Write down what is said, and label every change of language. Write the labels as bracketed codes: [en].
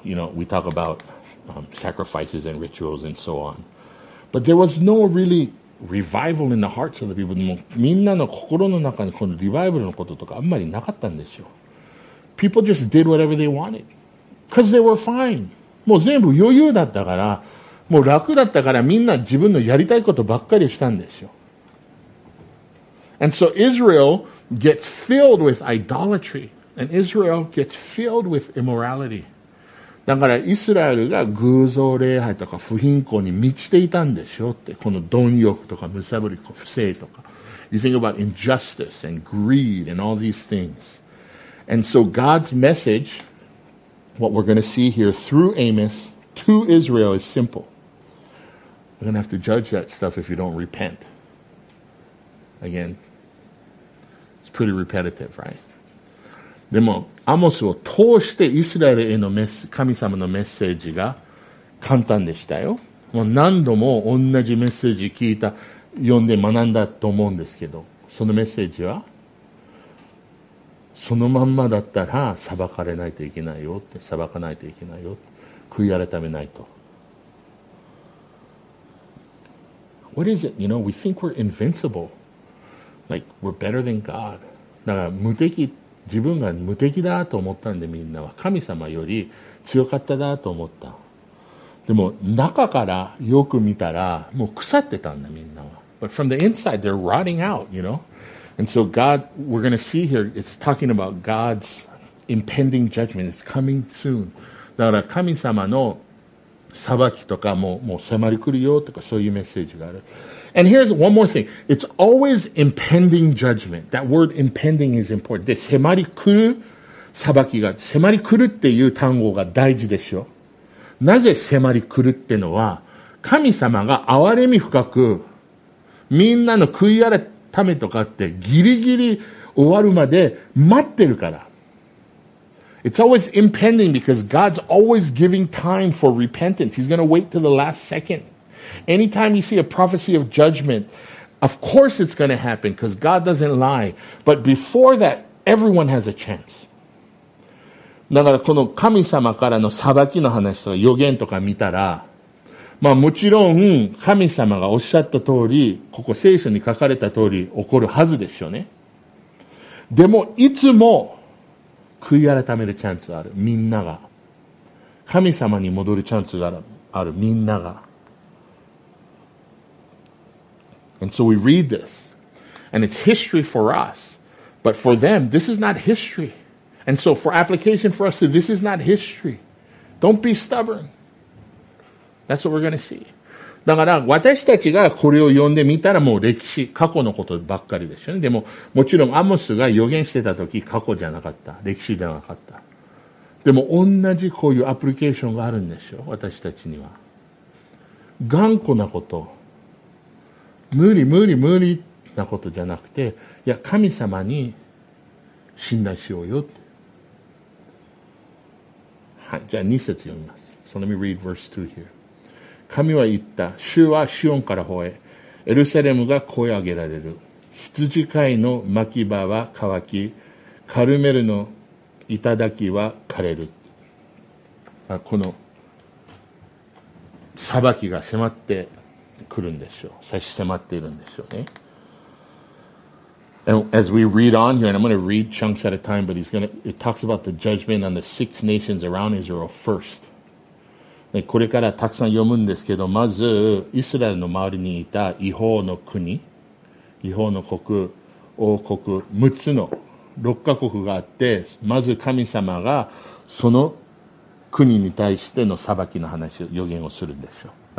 [en] You know, we talk about, sacrifices and rituals and so on. But there was no really revival in the hearts of the people. [ja] もうみんなの心の中にこのリバイバルのこととかあんまりなかったんですよ。 [en] People just did whatever they wanted. Because they were fine. [ja] もう全部余裕だったから、もう楽だったからみんな自分のやりたいことばっかりしたんですよ。 [en] And so Israel gets filled with idolatry. And Israel gets filled with immorality. [ja] だからイスラエルが偶像礼拝とか不貧困に満ちていたんでしょって。この貪欲とか貪り、不正とか。 [en] You think about injustice and greed and all these things. And so God's message,What we're going to see here through Amos to Israel is simple. We're going to have to judge that stuff if you don't repent. Again, it's pretty repetitive, right? [ja] でも、アモスを通してイスラエルへの神様のメッセージが簡単でしたよ。もう何度も同じメッセージ聞いた、読んで学んだと思うんですけど、そのメッセージはそのまんまだったら裁かれないといけないよって、裁かないといけないよって悔い改めないと。 [en] What is it? You know, we think we're invincible. Like, we're better than God. [ja] だから無敵、自分が無敵だと思ったんで、みんなは神様より強かっただと思った。でも中からよく見たらもう腐ってたんだ、みんなは。 [en] But from the inside, they're rotting out, you know? And so God, we're going to see here, it's talking about God's impending judgment. It's coming soon. [ja] だから神様の裁きとかもう迫り来るよとか、そういうメッセージがある。 [en] And here's one more thing. It's always impending judgment. That word impending is important. で、 [ja] 迫り来る裁きが、迫り来るっていう単語が大事でしょ。なぜ迫り来るってのは、神様が憐れみ深く、みんなの悔い改めとかってギリギリ終わるまで待ってるから。 [en] It's always impending because God's always giving time for repentance. He's going to wait till the last second. Anytime you see a prophecy of judgment, of course it's going to happen because God doesn't lie. But before that, everyone has a chance. [ja] だからこの神様からの裁きの話とか予言とか見たら、まあもちろん神様がおっしゃった通り、ここ聖書に書かれた通り起こるはずですよね。でもいつも悔い改めるチャンスがある、みんなが。神様に戻るチャンスがある、みんなが。 [en] And so we read this and it's history for us, but for them this is not historyAnd so for application for us, this is not history. Don't be stubborn. That's what we're going to see. [ja] だから私たちがこれを読んでみたらもう歴史、過去のことばっかりですよね。でももちろんアモスが予言してた時、過去じゃなかった。歴史じゃなかった。でも同じこういうアプリケーションがあるんですよ、私たちには。頑固なこと。無理無理無理なことじゃなくて、いや、神様に信頼しようよって。はい、じゃあ2節読みます。 [en] So let me read verse 2 here. [ja] 神は言った、主はシオンから吠え、エルサレムが声を上げられる。羊飼いの牧場は乾き、カルメルの頂は枯れる。あ、この裁きが迫ってくるんでしょう。差し迫っているんでしょうね。 [en] And as we read on here, and I'm going to read chunks at a time, but it talks about the judgment on the six nations around Israel first. [ja] これからたくさん読むんですけど、まず、イスラエルの周りにいた異邦の国、異邦の国、王国、6つの、6カ国があって、まず神様がその国に対しての裁きの話、予言をするんでしょう。